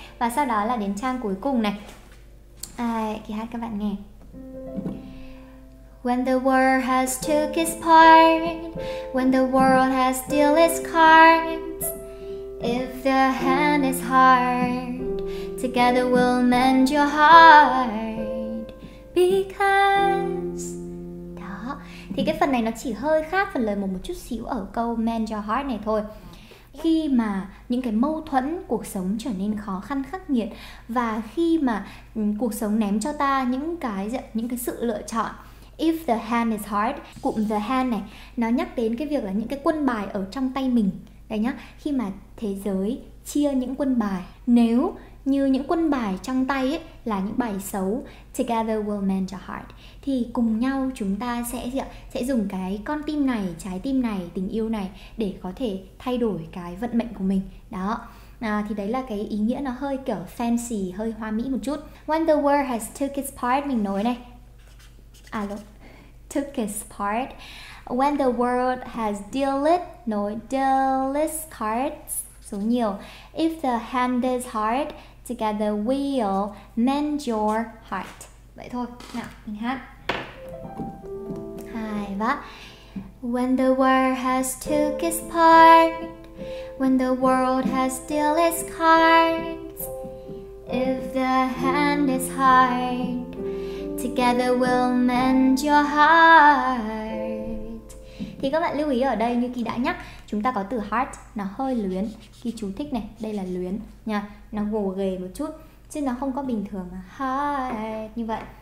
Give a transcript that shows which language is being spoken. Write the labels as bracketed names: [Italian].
[Vietnamese] Và sau đó là đến trang cuối cùng này. Kì hát các bạn nghe. [English] When the world has took its part, when the world has dealt its cards, if the hand is hard, together we'll mend your heart. [Vietnamese] Because đó, thì cái phần này nó chỉ hơi khác phần lời 1 một chút xíu ở câu mend your heart này thôi. Khi mà những cái mâu thuẫn cuộc sống trở nên khó khăn khắc nghiệt, và khi mà cuộc sống ném cho ta những cái sự lựa chọn. [English] If the hand is hard, [Vietnamese] cụm the hand này nó nhắc đến cái việc là những cái quân bài ở trong tay mình. Đấy nhá, khi mà thế giới chia những quân bài, nếu như những quân bài trong tay ấy là những bài xấu, [English] together we'll mend your heart, [Vietnamese] thì cùng nhau chúng ta sẽ dùng cái con tim này, trái tim này, tình yêu này để có thể thay đổi cái vận mệnh của mình. Đó. Thì đấy là cái ý nghĩa nó hơi kiểu fancy, hơi hoa mỹ một chút. [English] When the world has took its part, [Vietnamese] mình nói này. [English] Alo. Took its part. When the world has dealt, nói dealt its cards, [Vietnamese] số nhiều. [English] If the hand is hard, together we'll mend your heart. [Vietnamese] Vậy thôi, nào, mình hát. 2, 3. [English] When the world has took its part, when the world has dealt its cards, if the hand is hard, together we'll mend your heart. [Vietnamese] Thì các bạn lưu ý ở đây, như Kỳ đã nhắc, chúng ta có từ heart, nó hơi luyến. Kỳ chú thích này, đây là luyến nha, nó gồ ghề một chút, chứ nó không có bình thường mà heart như vậy.